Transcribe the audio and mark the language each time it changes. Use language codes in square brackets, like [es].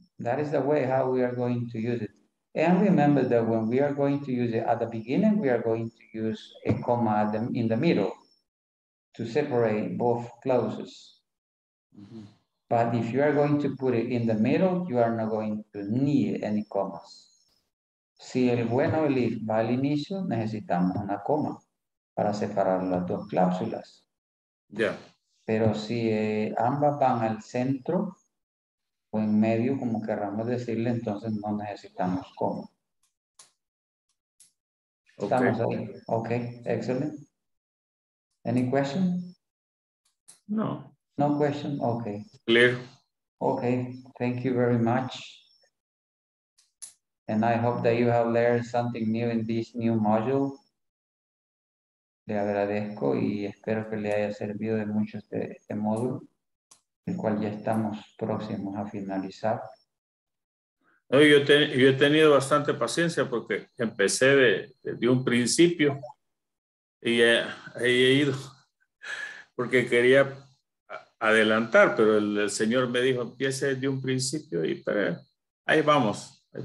[en] That is the way how we are going to use it. And remember that when we are going to use it at the beginning, we are going to use a comma in the middle to separate both clauses. Mm-hmm. But if you are going to put it in the middle, you are not going to need any commas. [es] Si el bueno el if va al inicio, necesitamos una coma para separar las dos cláusulas. [en] Yeah. [es] Pero si ambas van al centro, o en medio, como querramos decirle, entonces no necesitamos cómo. Okay. Estamos ahí. [en] Ok, excellent. Any question? No. No question? Ok. Clear. Ok, thank you very much. And I hope that you have learned something new in this new module. [es] Le agradezco y espero que le haya servido de mucho este módulo, el cual ya estamos próximos a finalizar. No, yo he tenido bastante paciencia porque empecé de un principio y he ido porque quería adelantar, pero el señor me dijo, empiece de un principio y pero, ahí vamos.